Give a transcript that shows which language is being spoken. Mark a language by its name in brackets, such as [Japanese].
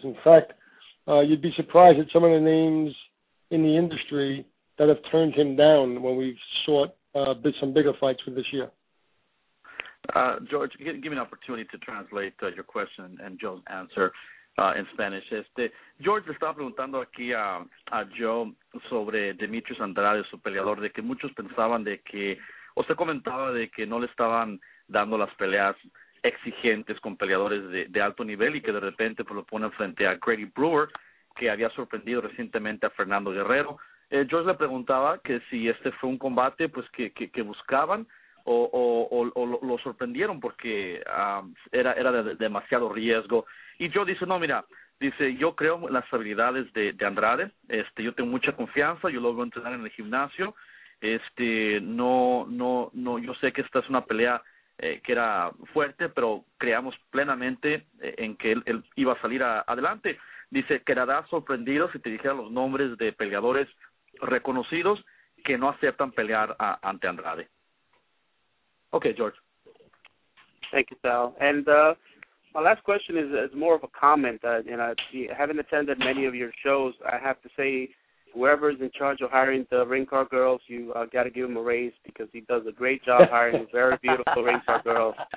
[English] In fact, you'd be surprised at some of the names in the industry that have turned him down when we've sought some bigger fights for this year. George, give me an opportunity to translate your question and Joe's answer in Spanish. [Spanish] George le estaba preguntando aquí a Joe sobre Demetrius Andrade, su peleador, de que muchos pensaban de que, o se comentaba de que no le estaban dando las peleas exigentes con peleadores de alto nivel, y que de repente pues, lo ponen frente a Grady Brewer, que había sorprendido recientemente a Fernando Guerrero. George le preguntaba que si este fue un combate pues que buscaban o lo sorprendieron porque era de demasiado riesgo. Y Joe dice, no, mira, dice, yo creo en las habilidades de Andrade, yo tengo mucha confianza, yo lo veo entrenar en el gimnasio, no, yo sé que esta es una pelea que era fuerte, pero creíamos plenamente en que él iba a salir adelante. Dice, quedarás sorprendido si te dijera los nombres de peleadores reconocidos que no aceptan pelear ante Andrade. [English] Okay, George. Thank you, Sal. And my last question is more of a comment. You know, having attended many of your shows, I have to say, whoever is in charge of hiring the ring car girls, you got to give him a raise because he does a great job hiring very beautiful ring car girls.